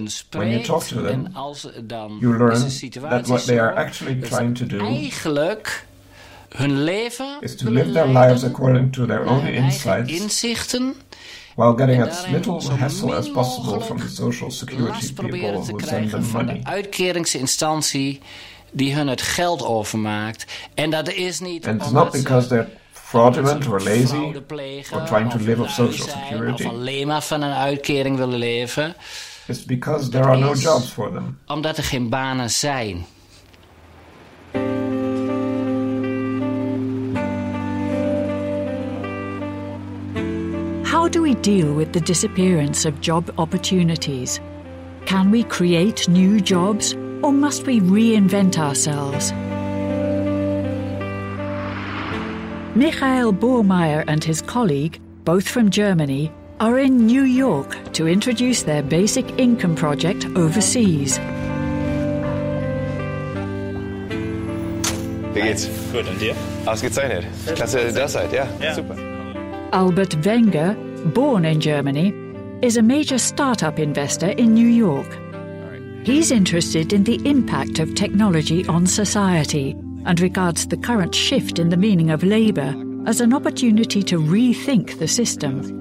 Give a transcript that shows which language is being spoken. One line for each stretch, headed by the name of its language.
English: When you talk to them, you learn that what they are actually trying to do is to live their lives according to their own insights, while getting as little hassle as possible from the social security people who send them money.
Dutch: De uitkeringsinstantie die hun het geld overmaakt. En dat is niet
English: and it's not because they're fraudulent or lazy or trying to live off social security.
Dutch: Of alleen maar van een uitkering willen leven.
English: It's because there are no jobs for them.
Dutch: Omdat er geen banen zijn.
English: How do we deal with the disappearance of job opportunities? Can we create new jobs, or must we reinvent ourselves? Michael Bormeyer and his colleague, both from Germany, are in New York to introduce their basic income project overseas.
German: Wie geht's? Gut, und dir? Ausgezeichnet. Klasse, dass ihr da seid, ja. Super.
English: Albert Wenger, born in Germany, is a major startup investor in New York. He's interested in the impact of technology on society and regards the current shift in the meaning of labor as an opportunity to rethink the system.